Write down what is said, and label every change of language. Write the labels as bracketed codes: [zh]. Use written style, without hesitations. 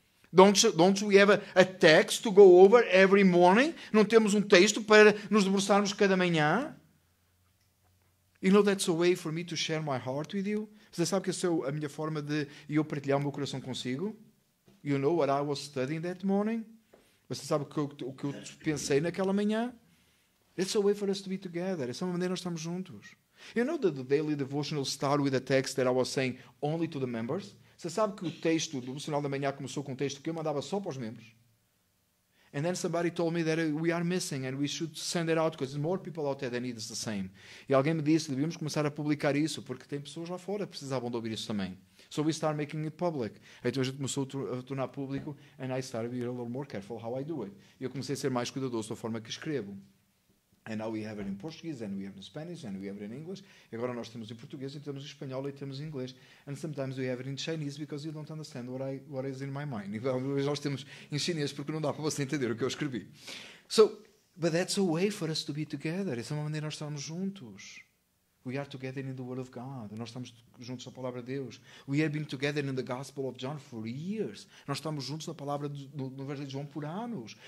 [en] Don't we have a text to go over every morning? [pt] Não temos um texto para nos debruçarmos cada manhã? [en] You know that's a way for me to share my heart with you? [pt] Você sabe que essa é a minha forma de eu partilhar o meu coração consigo? [en] You know what I was studying that morning? [pt] Você sabe o que eu pensei naquela manhã? [en] It's a way for us to be together. [pt] Essa é uma maneira de nós estarmos juntos. [en] You know that the daily devotional started with a text that I was saying only to the members? [pt] Você sabe que o texto do devocional da manhã começou com um texto que eu mandava só para os membros? [en] And then somebody told me that we are missing and we should send it out because more people out there that need the same. [pt] E alguém me disse, devíamos começar a publicar isso porque tem pessoas lá fora que precisavam de ouvir isso também. [en] So we start making it public. [pt] Então a gente começou a tornar público [en] and I started being a little more careful how I do it. [pt] E eu comecei a ser mais cuidadoso da forma que escrevo. [en] And now we have it in Portuguese, and we have it in Spanish, and we have it in English. [pt] E agora nós temos em português, e temos em espanhol, e temos em inglês. [en] And sometimes we have it in Chinese, because you don't understand what is in my mind. [pt] E talvez nós temos em chinês, porque não dá para você entender o que eu escrevi. [en] So, but that's a way for us to be together. [pt] Essa é uma maneira de nós estarmos juntos. [en] We are together in the Word of God. [pt] Nós estamos juntos na Palavra de Deus. [en] We have been together in the Gospel of John for years. [pt] Nós estamos juntos na Palavra do Evangelho de João por anos.